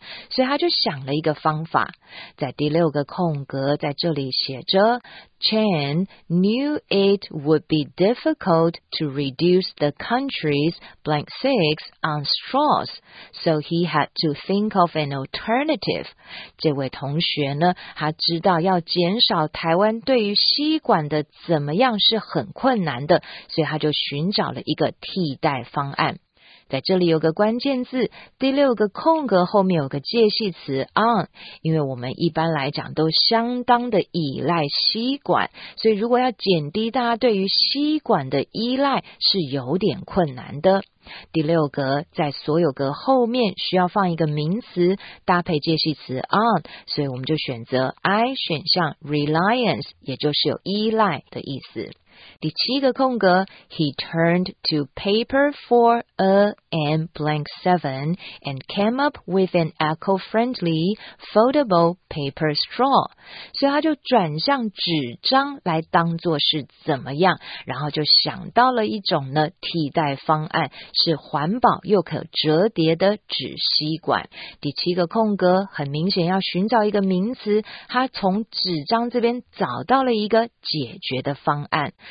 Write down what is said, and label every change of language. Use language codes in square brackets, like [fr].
[zh] 所以他就想了一个方法，在第六个空格在这里写着 [en] Chen knew it would be difficult to reduce the country's blank six on straws, so he had to think of an alternative. [zh] 这位同学呢，他知道要减少台湾对于吸管的怎么样是很困难的，所以他就寻找了一个替代方案。在这里有个关键字，第六个空格后面有个介系词 on， 因为我们一般来讲都相当的依赖吸管，所以如果要减低大家对于吸管的依赖是有点困难的。第六格在所有格后面需要放一个名词搭配介系词 on， 所以我们就选择 I 选项 reliance， 也就是有依赖的意思。第七个空格 [en] ，He turned to paper for a and blank seven and came up with an eco-friendly foldable paper straw. [zh] 所以他就转向纸张来当作是怎么样，然后就想到了一种呢替代方案，是环保又可折叠的纸吸管。第七个空格很明显要寻找一个名词，他从纸张这边找到了一个解决的方案。